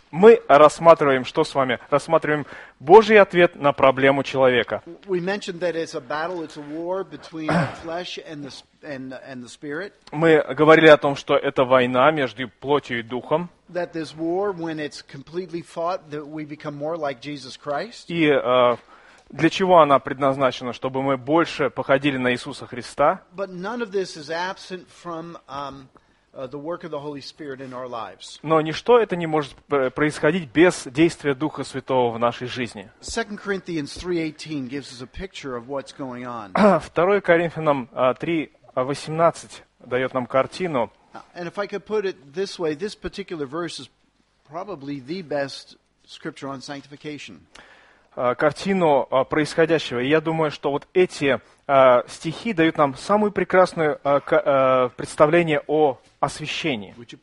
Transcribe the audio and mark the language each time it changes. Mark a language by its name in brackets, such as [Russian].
[Russian] Мы рассматриваем, что с вами? Рассматриваем Божий ответ на проблему человека. [English] We mentioned that it's a battle, it's a war between flesh and the spirit. [Russian] Мы говорили о том, что это война между плотью и духом. [English] That this war, when it's completely fought, that we become more like Jesus Christ. [Russian] И для чего она предназначена? Чтобы мы больше походили на Иисуса Христа. [English] But none of this is absent from the work of the Holy Spirit in our lives. [Russian] Но ничто это не может происходить без действия Духа Святого в нашей жизни. [English] 2 Corinthians 3:18 gives us a picture of what's going on. [Russian] 2 Коринфянам 3:18 дает нам картину. [English] And if I could put it this way, this particular verse is probably the best scripture on sanctification. [Russian] Картину происходящего. И я думаю, что вот эти стихи дают нам самое прекрасное представление о освящении.